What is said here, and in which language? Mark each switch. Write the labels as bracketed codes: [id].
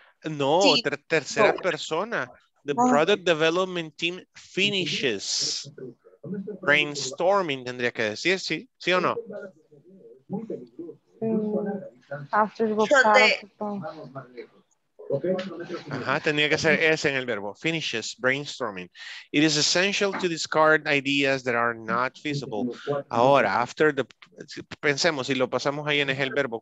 [es] No, tercera persona. [en] The product development team finishes brainstorming, [es] tendría que decir, ¿sí? ¿Sí o no? [en] After the [es] Ajá, tenía que ser S en el verbo. [en] Finishes, brainstorming. It is essential to discard ideas that are not feasible. Ahora, after the... [es] Pensemos, si lo pasamos ahí en el verbo.